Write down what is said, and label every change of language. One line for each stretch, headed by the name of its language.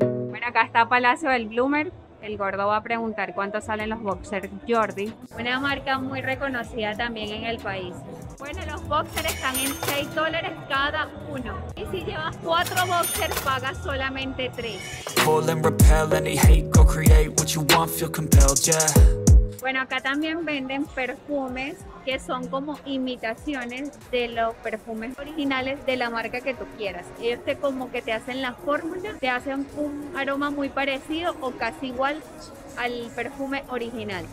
Spanish: Bueno, acá está Palacio del Bloomer. El gordo va a preguntar cuánto salen los boxers Jordi. Una marca muy reconocida también en el país. Bueno, los boxers están en $6 cada uno. Y si llevas 4 boxers, pagas solamente 3.
English: Pull and repel any hate, go create what you want, feel compelled, yeah.
Spanish: Bueno, acá también venden perfumes que son como imitaciones de los perfumes originales de la marca que tú quieras. Ellos te como que te hacen la fórmula, te hacen un aroma muy parecido o casi igual al perfume original.